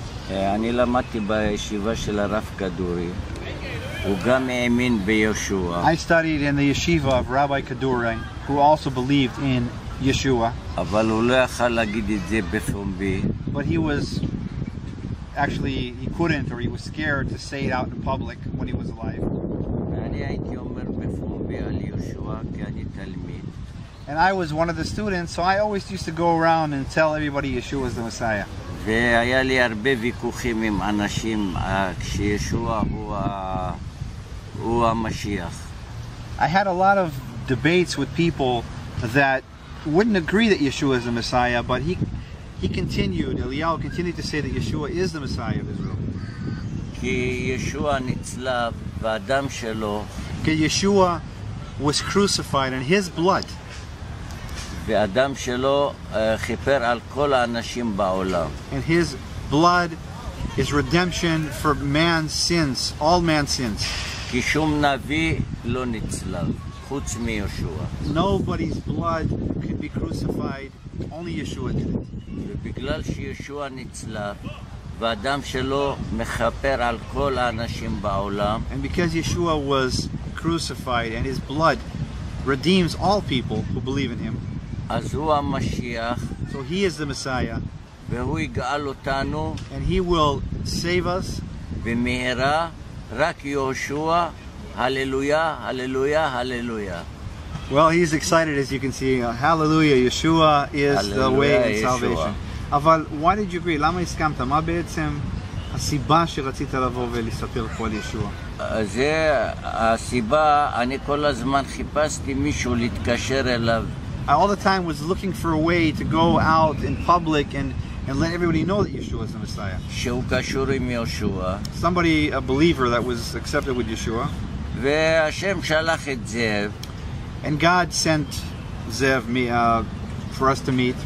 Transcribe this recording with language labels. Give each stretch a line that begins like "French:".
Hebrew: אני למדתי בישיבה של הרב כדורי. הוא גם האמין בישועה.
English: I studied in the yeshiva of Rabbi Kaduri, who also believed in Yeshua.
Hebrew: אבל הוא לא יכל להגיד את זה בפומבי.
English: But he was actually, he couldn't, or he was scared to say it out in public when he was alive.
Hebrew: אני הייתי אומר בפומבי על ישועה, כי אני תלמיד.
English: And I was one of the students, so I always used to go around and tell everybody Yeshua is the Messiah.
Hebrew: והיה לי הרבה ויכוחים עם אנשים כשישוע הוא המשיח.
English: I had a lot of debates with people that wouldn't agree that Yeshua is the Messiah, but he continued, Eliyahu continued to say that Yeshua is the Messiah of Israel.
Hebrew: כי ישוע נצלה והדם שלו.
English: כי ישוע was crucified and his blood.
Hebrew: והדם שלו חיפר על כל האנשים בעולם.
English: And his blood is redemption for man's sins, all man's sins.
Hebrew: כי שום נביא לא נצלב, חוץ מישוע.
English: Nobody's blood can be crucified, only Yeshua did it.
Hebrew: ובגלל שישוע נצלב, והדם שלו מחפר על כל האנשים בעולם.
English: And because Yeshua was crucified and his blood redeems all people who believe in him.
Hebrew: אז הוא המשיח.
English: So he is the Messiah.
Hebrew: והוא יגאל אותנו.
English: And he will save us.
Hebrew: ומהרה רק יהושע. Hallelujah, hallelujah, hallelujah.
English: Well, he's excited, as you can see. Hallelujah, Yeshua is the way and salvation. אבל why did you agree?
Hebrew: למה הסכמת? מה בעצם הסיבה שרצית לבוא ולספר פה על ישוע? זה הסיבה, אני כל הזמן חיפשתי מישהו להתקשר אליו.
English: I all the time was looking for a way to go out in public and let everybody know that Yeshua is the Messiah.
Hebrew: שהוא קשור עם יהושע.
English: Somebody, a believer that was accepted with Yeshua.
Hebrew: והשם שלח את זאב.
English: And God sent Zev me for us to meet.